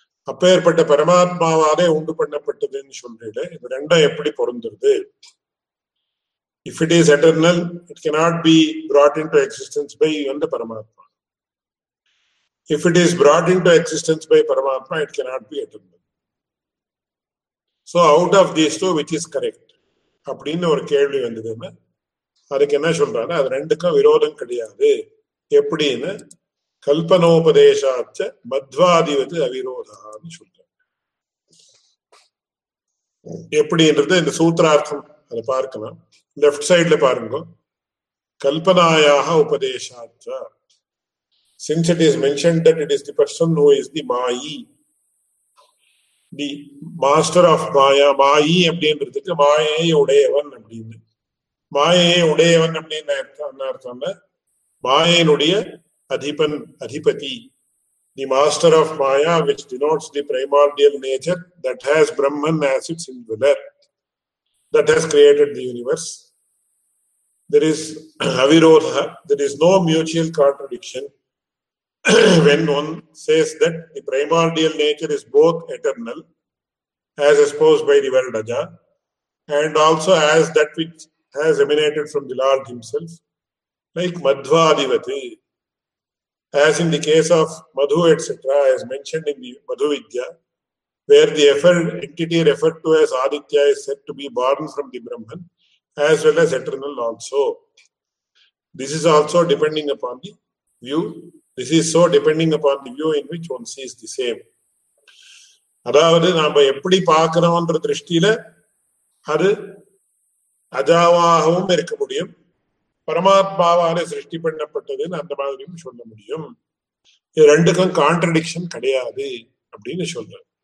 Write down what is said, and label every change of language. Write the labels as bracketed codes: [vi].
[ta] அப்பேற்பட்ட பரமாத்மாவாலே உண்டு பண்ணப்பட்டதுன்னு சொல்றீட இது ரெண்டும் எப்படி பொருந்துருது? [en] If it is eternal it cannot be brought in to existence by வந்து Paramatma. If it is brought in to existence by Paramatma it cannot be eternal. So out of these two, which is correct? [ta] அப்படின்னு ஒரு கேள்வி வந்ததுன்னு அதுக்கு என்ன சொல்றாங்க, அது ரெண்டுக்கும் விரோதம் கிடையாது. எப்படின்னு [sa] கல்பனோபதேசாச்ச மத்வாதிபதி அவிரோதான்னு [ta] சொல்றாங்க. எப்படின்றது இந்த சூத்திரார்த்தம் அதை பார்க்கணும். லெப்ட் சைட்ல பாருங்க, கல்பனாயாக உபதேசாச்ச, [en] Since it is mentioned that it is the person who is the மாயி, the master of Maya. [ta] மாயி அப்படின்றதுக்கு மாயை உடையவன் அப்படின்னு, மாயையை உடையவன் அப்படின்னு அர்த்தம்ல மாயையினுடைய அதிபன் அதிபதி. [en] The master of Maya which denotes the primordial nature that has Brahman as its singular that has created the universe. There is அவிரோத, there is no mutual contradiction when one says that the primordial nature is both eternal as exposed by the world aja and also as that which has emanated from the lord himself like madhva adivati as in the case of madhu etc as mentioned in the madhu vidya where the effort entity referred to as aditya is said to be born from the brahman as well as eternal also. This is also depending upon the view. This is so depending upon the view in which one sees the same. [ta] அதாவது நாம எப்படி பார்க்கிறோம்ன்ற திருஷ்டியில அது அஜாவாகவும் இருக்க முடியும், பரமாத்மாவாலே சிருஷ்டி பண்ணப்பட்டதுன்னு அந்த மாதிரியும் சொல்ல முடியும். இது ரெண்டுக்கும் கான்ட்ரடிக்ஷன் கிடையாது அப்படின்னு சொல்ற.